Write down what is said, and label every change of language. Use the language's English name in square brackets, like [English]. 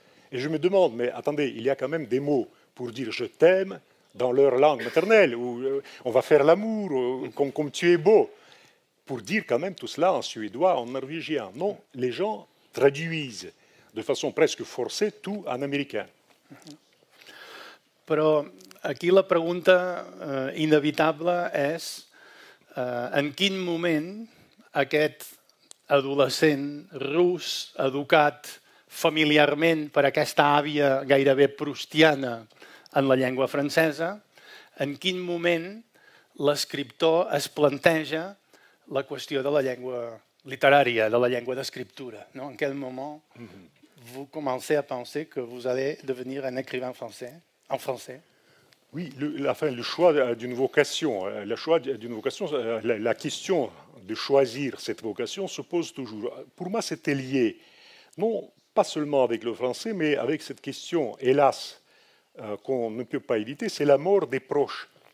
[French] Et je me demande, mais attendez, il y a quand même des mots pour dire « je t'aime » dans leur langue maternelle, ou « on va faire l'amour », ou « comme tu es beau », pour dire quand même tout cela en suédois, en norvégien. Non, les gens traduisent de façon presque forcée tout en américain. [Catalan] Però aquí la pregunta inevitable és en quin moment aquest adolescent rus educat familiarment per aquesta àvia gairebé prustiana en la llengua francesa, en quin moment l'escriptor es planteja la qüestió de la llengua literària, de la llengua d'escriptura? No? [French] En quel moment vous commencez a penser que vous allez devenir un écrivain français, en français? Oui, la question de choisir cette vocation se pose toujours. Pour moi, c'était lié, non pas seulement avec le français, mais avec cette question, hélas, qu'on ne peut pas éviter, c'est la mort des proches.